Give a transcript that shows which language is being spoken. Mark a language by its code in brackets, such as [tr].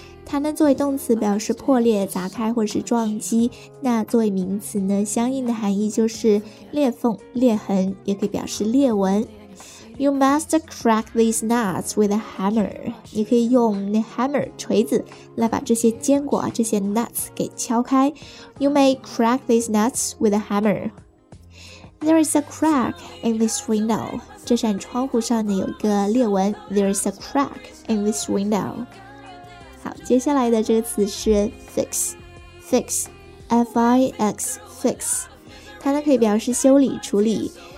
[zh] 它呢作为动词表示破裂、砸开或是撞击，那作为名词呢相应的含义就是裂缝、裂痕，也可以表示裂纹。 [en] You must crack these nuts with a hammer. [zh] 你可以用 hammer 锤子来把这些坚果这些 nuts 给敲开。 [en] You may crack these nuts with a hammer. There is a crack in this window. [zh] 这扇窗户上呢有一个裂纹。 [en] There is a crack in this window. [zh] 好，接下来的这个词是 [en] fix, F-I-X, fix. [zh] 它呢可以表示修理、处理。